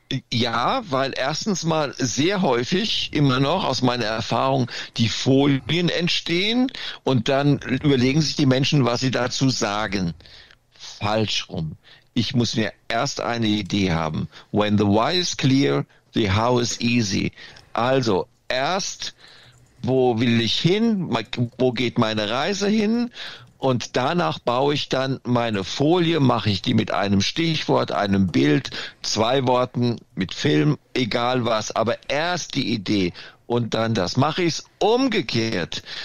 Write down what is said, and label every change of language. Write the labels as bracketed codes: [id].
[de] Ja, weil erstens mal sehr häufig immer noch aus meiner Erfahrung die Folien entstehen und dann überlegen sich die Menschen, was sie dazu sagen. Falsch rum. Ich muss mir erst eine Idee haben. [en] When the why is clear, the how is easy. [de] Also erst, wo will ich hin? Wo geht meine Reise hin? Und danach baue ich dann meine Folie, mache ich die mit einem Stichwort, einem Bild, zwei Worten, mit Film, egal was. Aber erst die Idee und dann das. Mache ich es umgekehrt.